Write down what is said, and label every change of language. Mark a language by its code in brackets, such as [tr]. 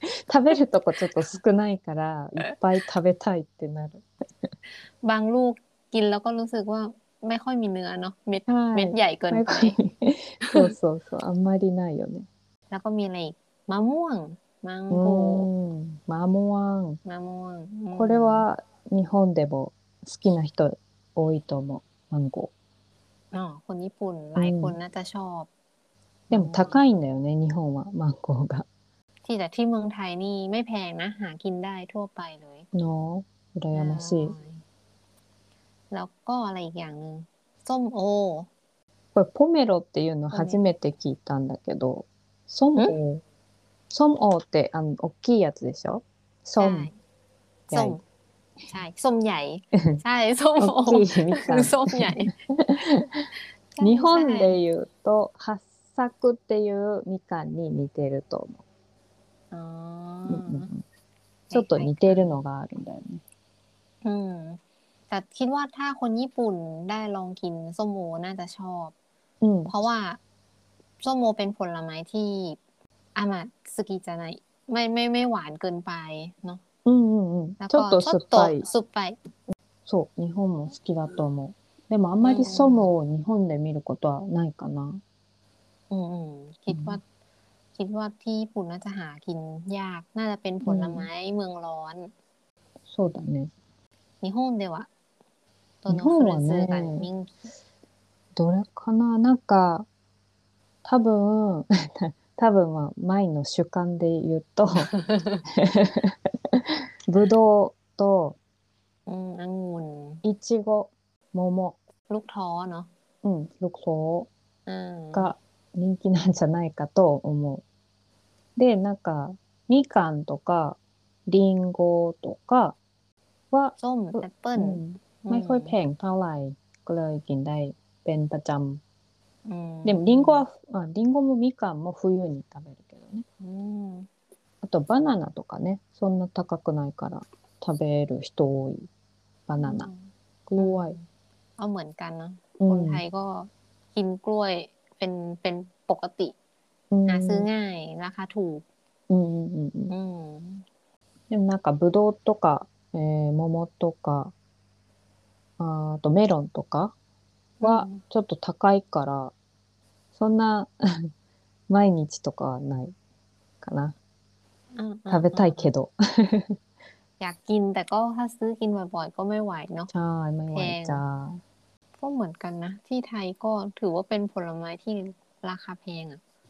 [ja] 食べるとこちょっと少ないからいっぱい食べたいってなる。 [th] บางลูกกินแล้วก็รู้สึกว่าไม่ค่อยมีเนื้อเนาะเม็ดใหญ่เกินไป [ja] そうそうそうあんまりないよね。 [th] แล้วก็มีอะไรอีกมะม่วงมังโ [ja] ก้มะม่วงこれは日本でも好きな人多いと思うマンゴ [th] ー。 あ、คนญี่ปุ่นหลายคนน่าจะชอบ。 [ja] でも高いんだよね日本はマンゴーが。 [th] ที่แต่ที่เมืองไทยนี่ไม่แพงนะหากินได้ทั่วไปเลย เนาะอรยามาสิ แล้วก็อะไรอีกอย่างนึงส้มโอ [ja] これポメロっていうの初めて聞いたんだけど ส้มโอส้มโอってあの大きいやつでしょส้ม [th] ใช่ส้มใหญ่ใช่ส้มโอส้มใหญ่ [ja] 日本で言うと八作っていうみかんに似てると思うちょっと似てるのがあるんだよね。だって、 [th] คิดว่าถ้าคนญี่ปุ่นได้ลองกินส้มโอน่าจะชอบ。 [ja] うん。 [th] เพราะว่าส้มโอเป็นผลไม้ที่ [ja] 甘すぎじゃない。 [th] ไม่หวานเกินไปเนาะ。 [ja] うんうんうん。ちょっと酸っぱい。そう、日本も好きだと思う。でもあんまりส้มโー日本で見ることはないかな。 [th] คิดว่าที่ญี่ปุ่นน่าจะหากินยากน่าจะเป็นผลไม้เมืองร้อน [ja] そうだね日本では日本はねどれかななんか多分は前の主観で言うとブドウとアンゴンイチゴ桃ルクトーเนาะ うんルクトーが人気なんじゃないかと思う。で、なんか、みかんとか、りんごとかは、そう、ペッパン。 [th] ไม่ค่อยแพงเท่าไหร่ก็เลยกินได้เป็นประจำ [ja] でもリンゴはリンゴもみかんも冬に食べるけどね。あとバナナとかね、そんな高くないから食べる人多い。バナナ、กล้วย。 [th] あ、เหมือนกันนะ。 คนไทยก็กินกล้วยเป็นปกติ。 หาซื้อง่ายราคาถูก。 [ja] でもなんかブドウとか、桃とか。あとメロンとかはちょっと高いから、そんな毎日とかはないかな。食べたいけど。 [th] อยากกินแต่ก็ถ้าซื้อกินบ่อยๆก็ไม่ไหวเนาะ ใช่ไม่ไหวจ้า ก็เหมือนกันนะที่ไทยก็ถือว่าเป็นผลไม้ที่ราคาแพงอะ